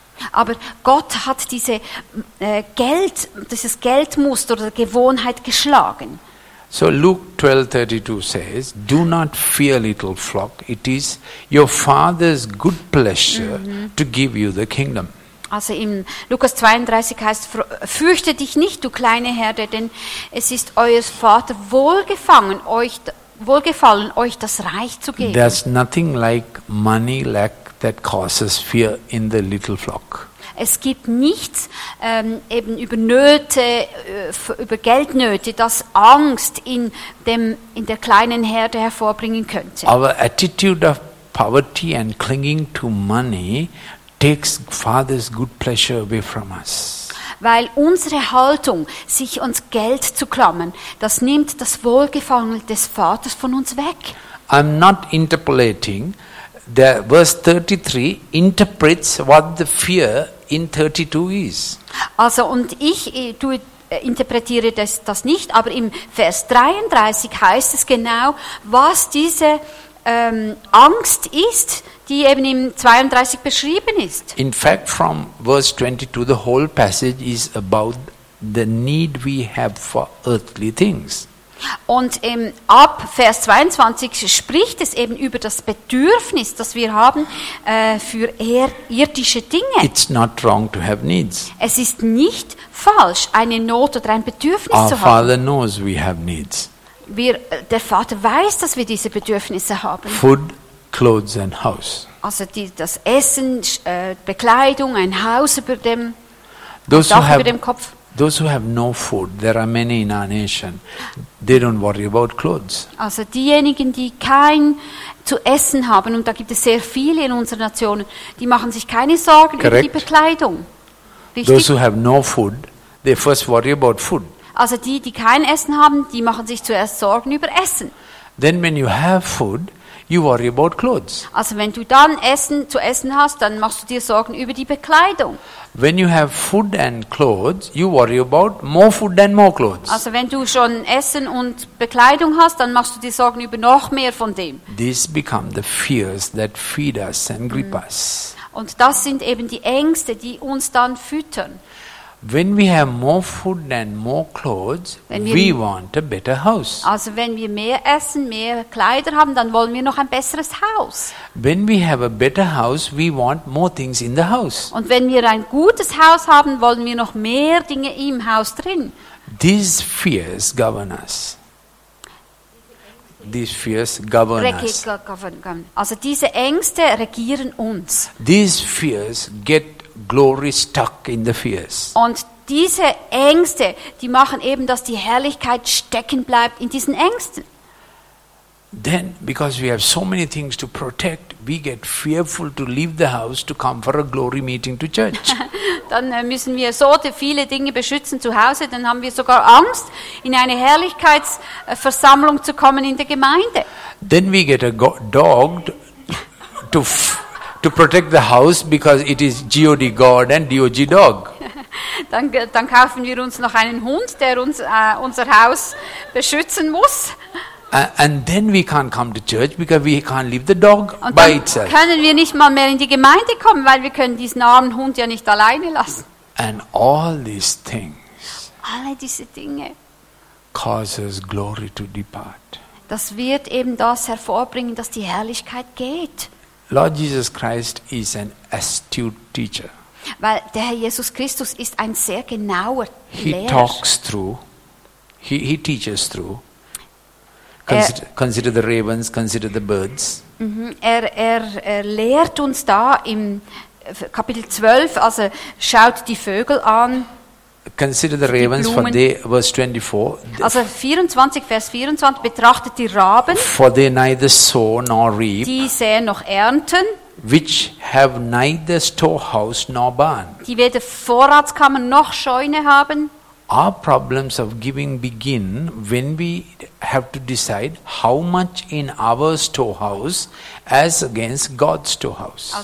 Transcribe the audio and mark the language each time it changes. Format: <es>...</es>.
<de>Aber Gott hat dieses Geldmuster oder Gewohnheit geschlagen.</de> <en>So Luke 12:32 says, do not fear, little flock, it is your father's good pleasure to give you the kingdom.</en> <de>Also im Lukas 32 heißt, fürchte dich nicht, du kleine Herde, denn es ist euer Vater wohlgefallen, euch das Reich zu geben.</de> <en>There's nothing like money lack that causes fear in the little flock.</en> <de>Es gibt nichts eben über Nöte, über Geldnöte, das Angst in der kleinen Herde hervorbringen könnte.</de> <en>Our attitude of poverty and clinging to money takes Father's good pleasure away from us.</en> <de>Weil unsere Haltung, sich ans Geld zu klammern, das nimmt das Wohlgefallen des Vaters von uns weg.</de> <en>I'm not interpolating. The verse 33 interprets what the fear in 32 is.</en> <de>Also, und ich interpretiere das nicht, aber im Vers 33 heißt es genau, was diese Angst ist, die eben im 32 beschrieben ist.</de> <en>In fact, from verse 22, the whole passage is about the need we have for earthly things.</en> <de>Und ab Vers 22 spricht es eben über das Bedürfnis, das wir haben für irdische Dinge.</de> <en>It's not wrong to have needs.</en> <de>Es ist nicht falsch, eine Not oder ein Bedürfnis</de> <en>Our</en> <de>zu haben.</de> <en>Father knows we have needs.</en> <de>Der Vater weiß, dass wir diese Bedürfnisse haben.</de> <en>Food, clothes and house.</en> <de>Also das Essen, Bekleidung, ein Haus über dem</de> <en>those</en> <de>Dach über dem Kopf.</de> <en>Those who have no food, there are many in our nation, they don't worry about clothes.</en> <de>Also diejenigen, die kein zu essen haben, und da gibt es sehr viele in unserer Nation, die machen sich keine Sorgen</de> <en>Correct.</en> <de>Über die Bekleidung. Richtig?</de> <en>Those who have no food, they first worry about food.</en> <de>Also die kein Essen haben, die machen sich zuerst Sorgen über Essen.</de> <en>Then when you have food, you worry about clothes.</en> <de>Also wenn du dann Essen zu essen hast, dann machst du dir Sorgen über die Bekleidung.</de> <en>When you have food and clothes, you worry about more food and more clothes.</en> <de>Also wenn du schon Essen und Bekleidung hast, dann machst du dir Sorgen über noch mehr von dem.</de> <en>This become the fears that feed us and grip us.</en> <de>Und das sind eben die Ängste, die uns dann füttern.</de> <en>When we have more food and more clothes, we want a better house.</en> <de>Also wenn wir mehr Essen, mehr Kleider haben, dann wollen wir noch ein besseres Haus.</de> <en>When we have a better house, we want more things in the house.</en> <de>Und wenn wir ein gutes Haus haben, wollen wir noch mehr Dinge im Haus drin.</de> <en>These fears govern us. These fears govern us.</en> <de>Also diese Ängste regieren uns.</de> <en>These fears get glory stuck in the fears.</en> <de>Und diese Ängste, die machen eben, dass die Herrlichkeit stecken bleibt in diesen Ängsten.</de> <en>Then, because we have so many things to protect, we get fearful to leave the house to come for a glory meeting to church.</en> <de>Dann müssen wir so viele Dinge beschützen zu Hause, dann haben wir sogar Angst, in eine Herrlichkeitsversammlung zu kommen in der Gemeinde.</de> <en>Then we get a dog to to protect the house because it is God guard and DOG dog.</en> <de>Dann kaufen wir uns noch einen Hund, der uns unser Haus beschützen muss.</de> <en>And then we can't come to church because we can't leave the dog by itself.</en> <de>Dann können wir nicht mal mehr in die Gemeinde kommen, weil wir können diesen armen Hund ja nicht alleine lassen.</de> <en>And all these things.</en> <de>Alle diese Dinge.</de> <en>Causes glory to depart.</en> <de>Das wird eben das hervorbringen, dass die Herrlichkeit geht.</de> <en>Lord Jesus Christ is an astute teacher.</en> <de>Weil der Herr Jesus Christus ist ein sehr genauer Lehrer.</de> <en>He talks through, he teaches through. Consider the ravens, consider the birds.</en> <de>Er lehrt uns da im Kapitel 12, also schaut die Vögel an.</de> <en>Consider the ravens for they verse 24.</en> <de>Also 24 Vers 24 betrachtet die Raben.</de> <en>For they neither sow nor reap.</en> <de>Die säen noch ernten.</de> <en>Which have neither storehouse nor barn.</en> <de>Die weder Vorratskammer noch Scheune haben.</de> <en>Our problems of giving begin when we have to decide how much in our storehouse as against God's storehouse.</en>